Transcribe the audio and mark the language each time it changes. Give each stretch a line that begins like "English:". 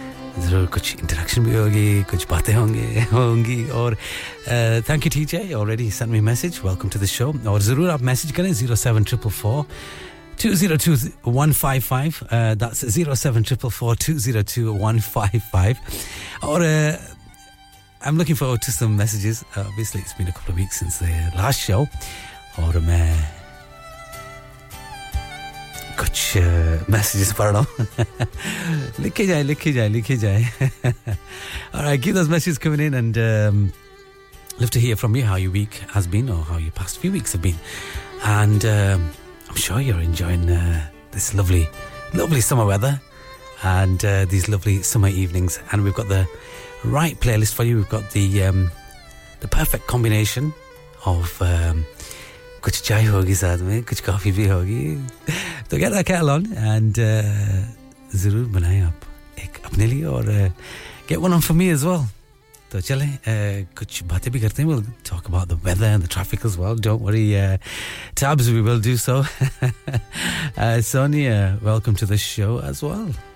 Hindi: ज़रूर कुछ इंटरेक्शन भी होगी, कुछ बातें होंगी और
English: thank you TJ, already send me message, welcome to the show,
Hindi: और ज़रूर आप मैसेज करें 07444
English: 02055. That's 07444202155. I'm looking forward to some messages. Obviously, it's been a couple of weeks since the last show.
Hindi: Or I'm कुछ messages पढ़ रहा हूँ. लिखे जाए, लिखे जाए, लिखे जाए.
English: All right, keep those messages coming in and love to hear from you how your week has been or how your past few weeks have been. And I'm sure you're enjoying this lovely, lovely summer weather and these lovely summer evenings. And we've got the right playlist for you. We've got the perfect combination of
Hindi: कुछ चाय होगी साथ में, कुछ coffee भी होगी.
English: तो get that kettle on and
Hindi: जरूर बनाएं आप एक अपने लिए और
English: get one on for me as well.
Hindi: तो चलें कुछ बातें भी करते हैं.
English: We'll talk about the weather and the traffic as well. Don't worry, Tabs, we will do so. Sonia, welcome to the show as well.